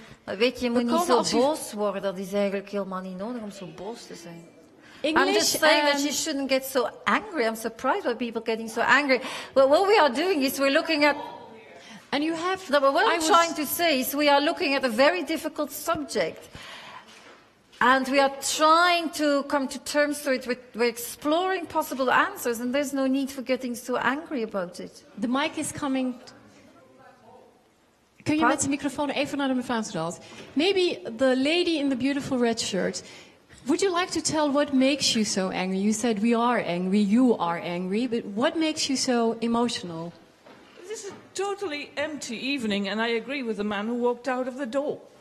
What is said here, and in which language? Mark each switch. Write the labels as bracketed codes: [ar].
[nl] weet je, je moet niet zo boos worden. Dat is eigenlijk helemaal niet nodig om zo boos te zijn. [en] English, I'm just saying that you shouldn't get so angry. I'm surprised by people getting so angry. Well, what we are doing is we're looking at... And you have... No, but what I'm trying to say is we are looking at a very difficult subject. And we are trying to come to terms with it. We're exploring possible answers. And there's no need for getting so angry about it. The mic is coming... [nl] Kun je met de microfoon even naar de mevrouw terug? [en] Maybe the lady in the beautiful red shirt. Would you like to tell what makes you so angry? You said we are angry, you are angry, but what makes you so emotional? This is a totally empty evening, and I agree with the man who walked out of the door.